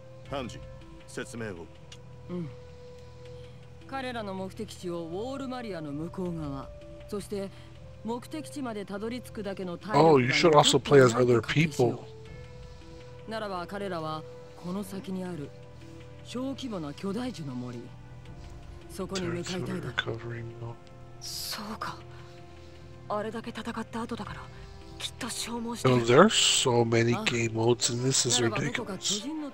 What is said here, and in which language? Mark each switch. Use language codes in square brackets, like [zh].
[ja] ハンジ、説明を。うん。彼らの目的地をウォールマリアの向こう側、そして目的地までたどり着くだけの体 [en] Oh, you should also play as other people. [ja] ならば彼らはこの先にある小規模な巨大樹の森、そこに向かいたいだ。そうか。あれだけ戦った後だから、きっと消耗してる。 [en] Oh, there are so many game modes, and this is ridiculous.